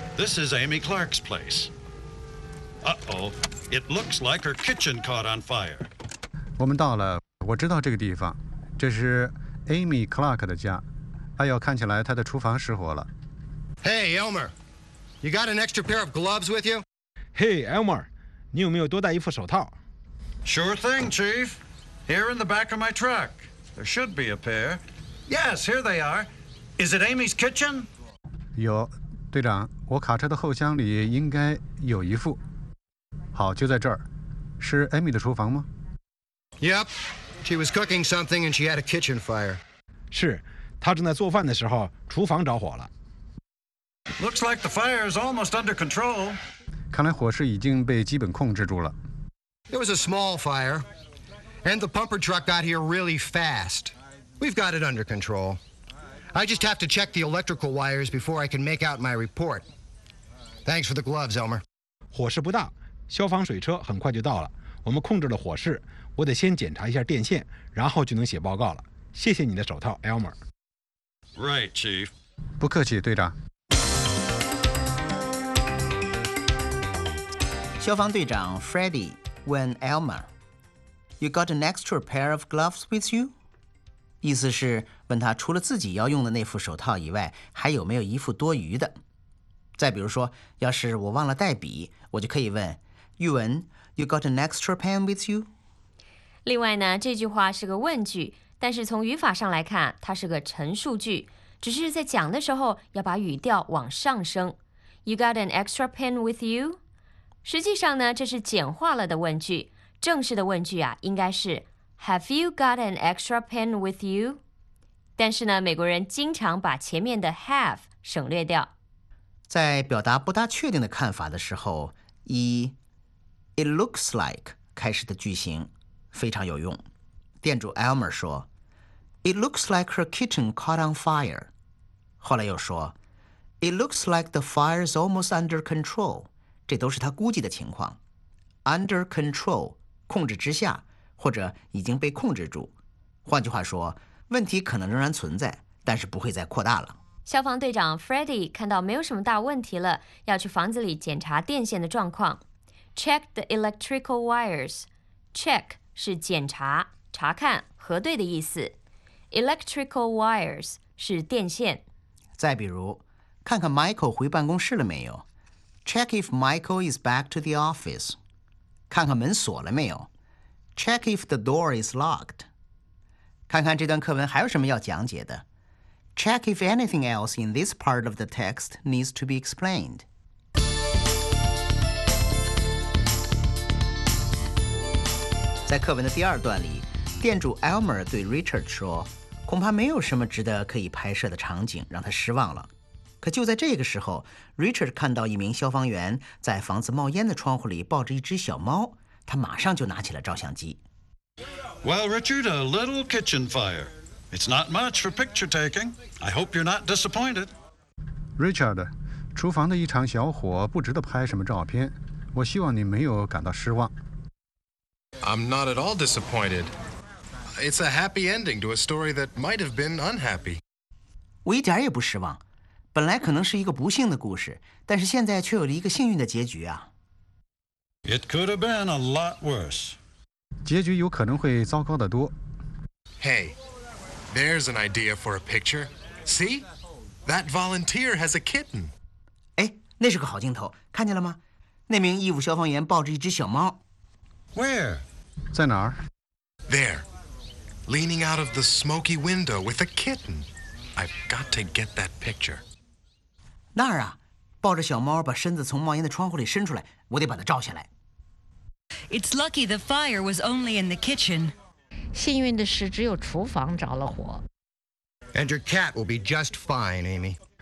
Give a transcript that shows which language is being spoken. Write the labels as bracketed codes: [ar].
[en] This is Amy Clark's place. Uh-oh. It looks like her kitchen caught on fire. [zh] 我们到了，我知道这个地方，这是 Amy Clark 的家。哎呦，看起来她的厨房失火了。 [en] Hey, Elmer. You got an extra pair of gloves with you? Hey, Elmer. [zh] 你有没有多带一副手套 [en] ？Sure thing, Chief. Here in the back of my truck. There should be a pair. Yes, here they are. Is it Amy's kitchen? [zh] 有，队长，我卡车的后箱里应该有一副。好，就在这儿。是 Amy 的厨房吗 [en] ？Yep. She was cooking something and she had a kitchen fire. [zh] 是，她正在做饭的时候，厨房着火了。 [en] Looks like the fire is almost under control. [zh] 看来火势已经被基本控制住了。 [en] It was a small fire, and the pumper truck got here really fast. We've got it under control. I just have to check the electrical wires before I can make out my report. Thanks for the gloves, Elmer. [zh] 火势不大，消防水车很快就到了。我们控制了火势，我得先检查一下电线，然后就能写报告了。谢谢你的手套 ，Elmer. [en] Right, Chief. [zh] 不客气，队长。消防队长 Freddy 问 Elmer [en] You got an extra pair of gloves with you? [zh] 意思是问他除了自己要用的那副手套以外还有没有一副多余的再比如说要是我忘了带笔我就可以问 [en] Yuen, you got an extra pen with you? [zh] 另外呢这句话是个问句但是从语法上来看它是个陈述句只是在讲的时候要把语调往上升 [en] You got an extra pen with you? [zh] 实际上呢，这是简化了的问句。正式的问句啊，应该是 [en] Have you got an extra pen with you? [zh] 但是呢，美国人经常把前面的 have 省略掉。在表达不大确定的看法的时候，以 [en] It looks like [zh] 开始的句型非常有用。店主 Elmer 说 [en] It looks like her kitchen caught on fire. [zh] 后来又说 [en] It looks like the fire is almost under control. [zh] 这都是他估计的情况 ， [en] under control， [zh] 控制之下，或者已经被控制住。换句话说，问题可能仍然存在，但是不会再扩大了。消防队长 Freddy 看到没有什么大问题了，要去房子里检查电线的状况。 [en] Check the electrical wires. [zh] Check 是检查、查看、核对的意思。 [en] Electrical wires [zh] 是电线。再比如，看看 Michael 回办公室了没有。 [en] Check if Michael is back to the office. [zh] 看看门锁了没有。 [en] Check if the door is locked. [zh] 看看这段课文还有什么要讲解的。 [en] Check if anything else in this part of the text needs to be explained. [zh] 在课文的第二段里，店主 Elmer 对 Richard 说，恐怕没有什么值得可以拍摄的场景，让他失望了。可就在这个时候 ，Richard 看到一名消防员在房子冒烟的窗户里抱着一只小猫，他马上就拿起了照相机。 [en] Well, Richard, a little kitchen fire. It's not much for picture taking. I hope you're not disappointed. [zh] Richard, 厨房的一场小火不值得拍什么照片。我希望你没有感到失望。 [en] I'm not at all disappointed. It's a happy ending to a story that might have been unhappy. [zh] 我一点也不失望。本来可能是一个不幸的故事，但是现在却有了一个幸运的结局啊。 [en] It could have been a lot worse. [zh] 结局有可能会糟糕得多。 [en] Hey, there's an idea for a picture. See? That volunteer has a kitten. [zh] 哎，那是个好镜头，看见了吗？那名义务消防员抱着一只小猫。 [en] Where? [zh] 在哪儿? [en] There. Leaning out of the smoky window with a kitten. I've got to get that picture. [zh] 那儿啊，抱着小猫把身子从冒烟的窗户里伸出来，我得把它照下来。 [en] It's lucky the fire was only in the kitchen. [zh] 幸运的是只有厨房着了火。 [en] And your cat will be just fine, Amy.